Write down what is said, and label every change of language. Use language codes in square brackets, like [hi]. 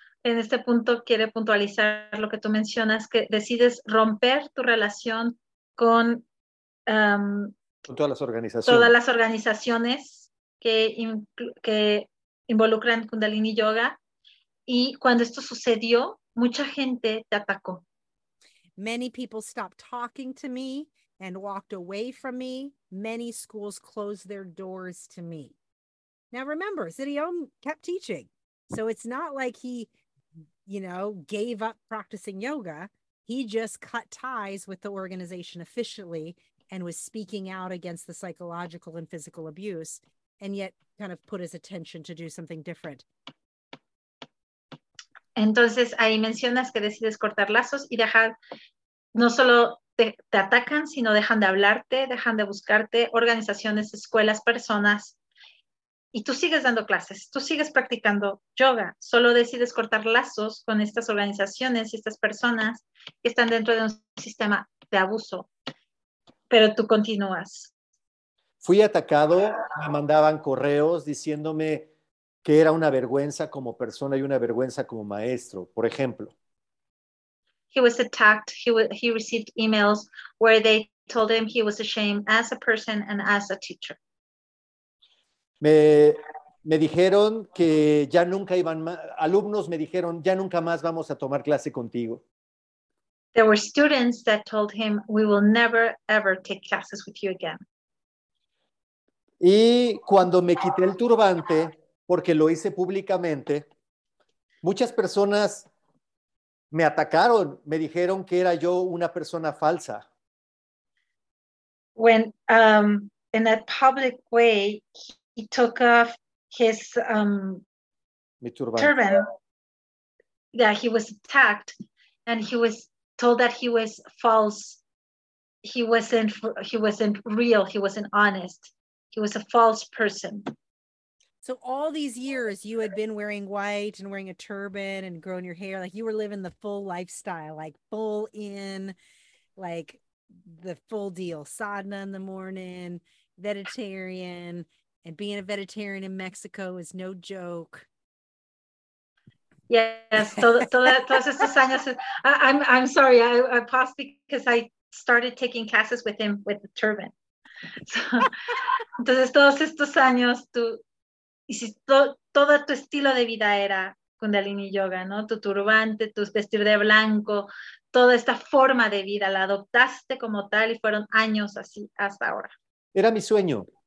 [es] En este punto quiere puntualizar lo que tú mencionas, que decides romper tu relación con, con todas las organizaciones. Todas las organizaciones que involucran Kundalini Yoga. Y cuando esto sucedió, mucha gente te atacó. [en] Many people stopped talking to me and walked away from me. Many schools closed their doors to me. Now remember, Sidiom kept teaching. So it's not like he, you know, gave up practicing yoga. He just cut ties with the organization officially and was speaking out against the psychological and physical abuse, and yet kind of put his attention to do something different. [es] Entonces, ahí mencionas que decides cortar lazos y dejar, no solo te atacan, sino dejan de hablarte, dejan de buscarte, organizaciones, escuelas, personas. Y tú sigues dando clases, tú sigues practicando yoga, solo decides cortar lazos con estas organizaciones y estas personas que están dentro de un sistema de abuso, pero tú continúas. Fui atacado, me mandaban correos diciéndome que era una vergüenza como persona y una vergüenza como maestro, por ejemplo. [en] He was attacked, he received emails where they told him he was ashamed as a person and as a teacher. [es] Me dijeron que ya nunca iban más, alumnos me dijeron, ya nunca más vamos a tomar clase contigo. [en] There were students that told him, we will never ever take classes with you again. [es] Y cuando me quité el turbante, porque lo hice públicamente, muchas personas me atacaron, me dijeron que era yo una persona falsa. [en] When, in a public way, he took off his turban. Yeah, he was attacked, and he was told that he was false. He wasn't real. He wasn't honest. He was a false person. So all these years, you had been wearing white and wearing a turban and growing your hair, like you were living the full lifestyle, like full in, like the full deal. Sadhana in the morning, vegetarian. And being a vegetarian in Mexico is no joke. Yes, [es] todos estos años. [en] I'm sorry, I paused because I started taking classes with him with the turban. [es] Entonces, todos estos años, tú hiciste todo tu estilo de vida era Kundalini Yoga, ¿no? Tu turbante, tu vestir de blanco, toda esta forma de vida la adoptaste como tal y fueron años así hasta ahora. Era mi sueño.